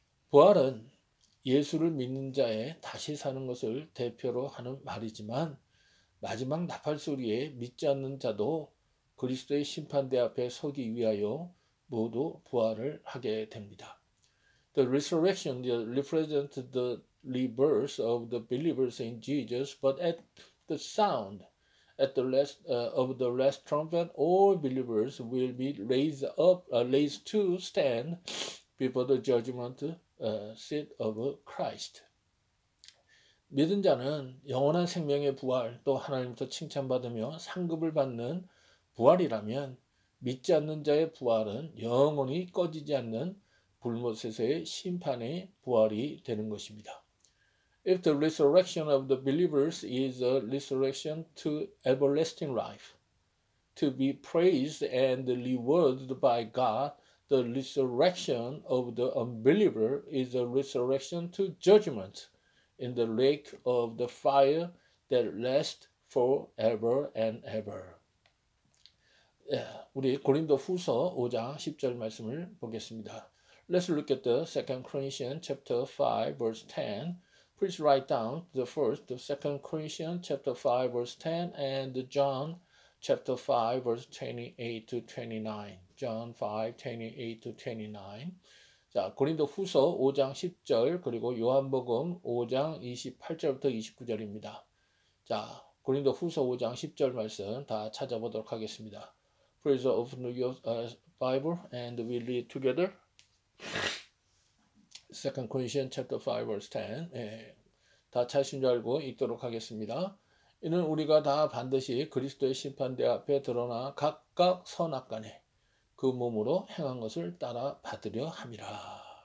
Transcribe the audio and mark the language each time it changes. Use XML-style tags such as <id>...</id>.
<ko>부활은 예수를 믿는 자의 다시 사는 것을 대표로 하는 말이지만, 마지막 나팔 소리에 믿지 않는 자도 그리스도의 심판대 앞에 서기 위하여 모두 부활을 하게 됩니다.</ko> <en>The resurrection represents the rebirth of the believers in Jesus, but at the sound, at the last, of the last trumpet, all believers will be raised to stand before the judgment seat of Christ.</en> <ko>믿은 자는 영원한 생명의 부활, 또 하나님부터 칭찬받으며 상급을 받는 부활이라면, 믿지 않는 자의 부활은 영원히 꺼지지 않는 불못에서의 심판의 부활이 되는 것입니다.</ko> <en>If the resurrection of the believers is a resurrection to everlasting life, to be praised and rewarded by God, the resurrection of the unbeliever is a resurrection to judgment in the lake of the fire that lasts forever and ever.</en> <ko>우리 고린도후서 5장 10절 말씀을 보겠습니다.</ko> <en>Let's look at the Second Corinthians chapter 5 verse 10. Please write down the first, the Second Corinthians chapter 5 verse 10 and John chapter 5 verse 28 to 29. John 5, 28 to 29.</en> <ko>자, 고린도후서 5장 10절 그리고 요한복음 5장 28절부터 29절입니다. 자, 고린도후서 5장 10절 말씀 다 찾아보도록 하겠습니다.</ko> <en>Please open your Bible and we read together. Second Corinthians chapter 5 verse 10.</en> <ko>예, 다 찾으신 줄 알고 읽도록 하겠습니다. 이는 우리가 다 반드시 그리스도의 심판대 앞에 드러나 각각 선악간에 그 몸으로 행한 것을 따라 받으려 함이라.</ko>